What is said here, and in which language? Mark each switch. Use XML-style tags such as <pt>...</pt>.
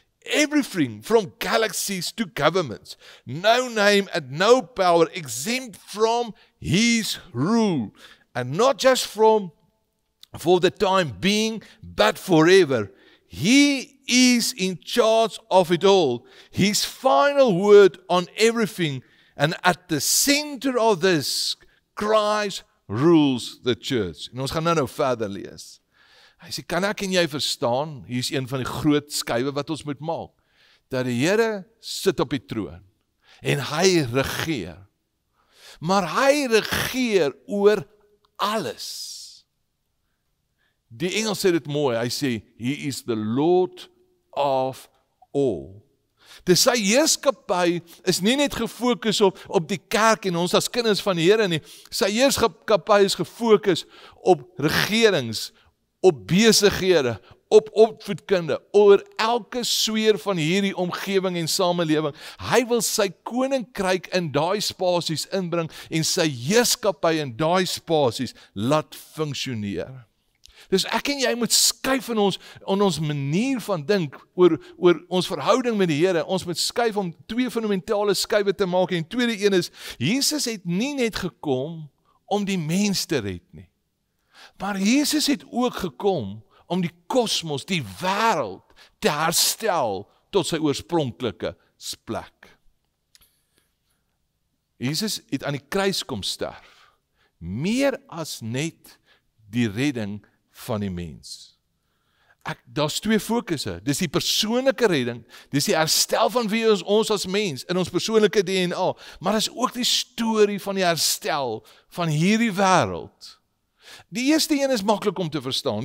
<en>Everything from galaxies to governments, no name and no power exempt from his rule, and not just for the time being, but forever. He is in charge of it all, his final word on everything, and at the center of this, Christ rules the church.</en> <af>En ons gaan nou verder lees. Hy sê, kan ek en jy verstaan, hier is een van die groot skuiwe wat ons moet maak, dat die Here sit op die troon, en hy regeer, maar hy regeer oor alles. Die Engels sê dit mooi, hy sê,</af> <en>he is the Lord of all.</en> <af>Dis sy heerskappy is nie net gefokus op die kerk en ons as kinders van die Here nie, sy heerskappy is gefokus op regerings, op besighede, op opvoedkunde, oor elke sweer van hierdie omgeving en samenleving. Hy wil sy koninkryk in daai spasies inbring en sy heerskappy in daai spasies laat funksioneer. Dus ek en jy moet skuif in ons manier van dink oor ons verhouding met die Here. Ons moet skuif om twee fundamentale skuive te maak en tweede een is, Jesus het nie net gekom om die mens te red nie. Maar Jesus het ook gekom om die kosmos, die wêreld, te herstel tot sy oorspronklike plek. Jesus het aan die kruis kom sterf, meer as net die redding van die mens. Daar is twee fokusse, dis die persoonlike redding, dis die herstel van wie ons as mens, in ons persoonlike DNA, maar dis ook die story van die herstel van hierdie wêreld. Die eerste een is makkelijk om te verstaan.</af>